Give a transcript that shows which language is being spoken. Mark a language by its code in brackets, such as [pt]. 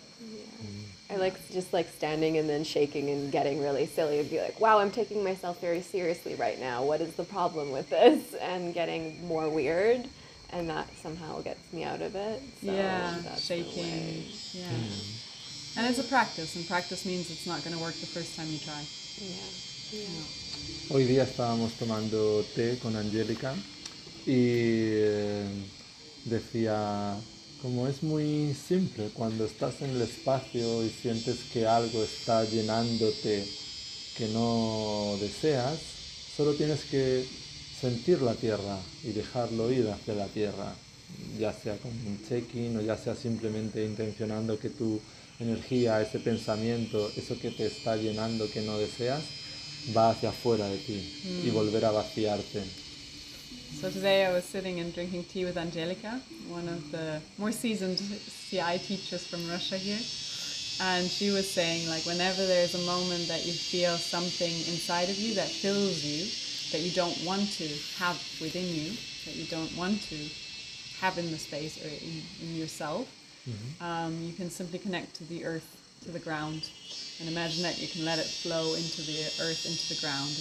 [en] Yeah. I like just like standing and then shaking and getting really silly and be like, wow, I'm taking myself very seriously right now. What is the problem with this? And getting more weird, and that somehow gets me out of it. So shaking. Yeah. And it's a practice, and practice means it's not going to work the first time you try. Yeah. [es] Hoy día estábamos tomando té con Angélica y decía, como es muy simple, cuando estás en el espacio y sientes que algo está llenándote que no deseas, solo tienes que sentir la tierra y dejarlo ir hacia la tierra, ya sea con un check-in o ya sea simplemente intencionando que tu energía, ese pensamiento, eso que te está llenando que no deseas, va hacia afuera de ti y volver a vaciarte. [en] So today I was sitting and drinking tea with Angelica, one of the more seasoned CI teachers from Russia here. And she was saying, like, whenever there's a moment that you feel something inside of you that fills you, that you don't want to have within you, that you don't want to have in the space or in yourself, you can simply connect to the earth, to the ground, and imagine that you can let it flow into the earth, into the ground.